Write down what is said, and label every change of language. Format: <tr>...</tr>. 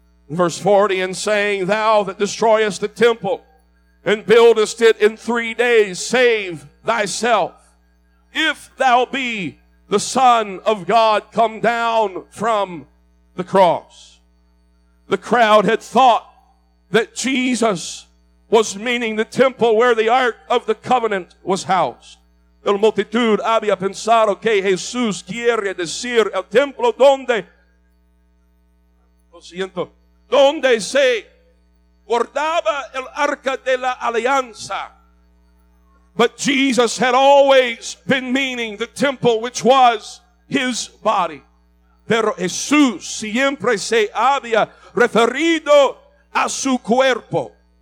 <en>In verse 40, and saying, "Thou that destroyest the temple and buildest it in 3 days, save thyself. If thou be the Son of God, come down from the cross." The crowd had thought that Jesus was meaning the temple where the Ark of the Covenant was housed.</en> <es>La multitud había pensado que Jesús quiere decir el templo donde, lo siento, donde se guardaba el Arca de la Alianza.</es> <en>But Jesus had always been meaning the temple which was his body.</en> <es>Pero Jesús siempre se había referido a su cuerpo.</es>